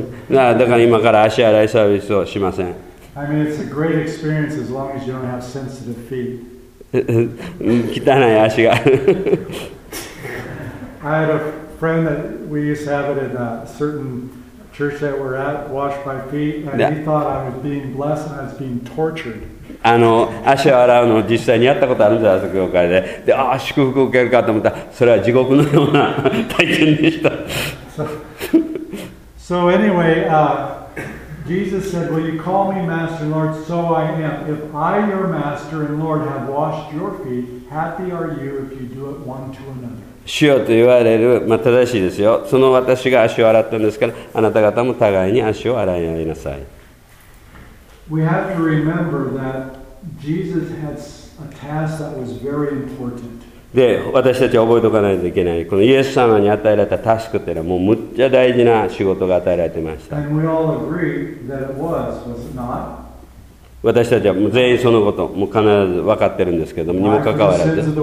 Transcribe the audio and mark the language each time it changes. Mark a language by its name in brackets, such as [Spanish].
[Japanese] だから今から足洗いサービスをしません。 [English] I mean, it's a great experience as long as you don't have sensitive feet. [Japanese] 汚い足が。 [English] I had a friend that we used to have it at a certain. Church that we're at, washed my feet, and he thought I was being blessed and I was being tortured. [Japanese] あの足を洗うのを実際にやったことあるんですよ、教会で。で、ああ、祝福を受けるかと思ったら、それは地獄のような体験でした。 [English] So anyway, Jesus said, "Will you call me Master and Lord? So I am. If I, your Master and Lord, have washed your feet, happy are you if you do it one to another." [Japanese] 主よと言われる、まあ、正しいですよ。その私が足を洗ったんですから、あなた方も互いに足を洗い合いなさい。 [English] We have to remember that Jesus had a task that was very important. [Japanese] で、私たちは覚えておかないといけない。このイエス様に与えられたタスクっていうのは、もうむっちゃ大事な仕事が与えられてました。 [English] And we all agree that it was, was it not? [Japanese] 私たちは全員そのこともう必ず分かってるんですけども、にもかかわらず。